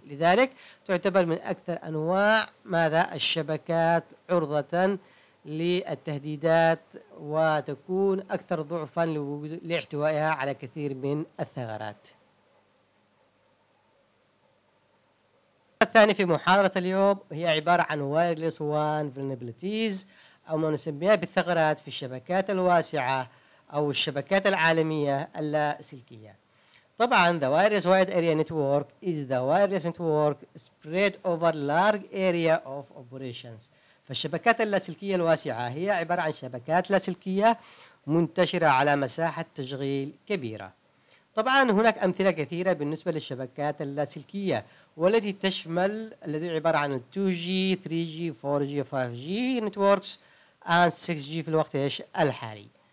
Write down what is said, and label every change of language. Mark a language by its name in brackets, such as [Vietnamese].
[Arabic] لذلك تعتبر من أكثر أنواع ماذا؟ الشبكات عرضة للتهديدات، وتكون أكثر ضعفاً لاحتوائها على كثير من الثغرات. الثاني في محاضرة اليوم هي عبارة عن Wireless WAN Vulnerabilities أو ما نسميها بالثغرات في الشبكات الواسعة أو الشبكات العالمية اللاسلكية. [English] طبعاً The Wireless Wide Area Network is the wireless network spread over large area of operations. [Arabic] فالشبكات اللاسلكية الواسعة هي عبارة عن شبكات لاسلكية منتشرة على مساحة تشغيل كبيرة. طبعا هناك أمثلة كثيرة بالنسبة للشبكات اللاسلكية والتي تشمل الذي عبارة عن 2G 3G 4G 5G networks and 6G في الوقت الحالي.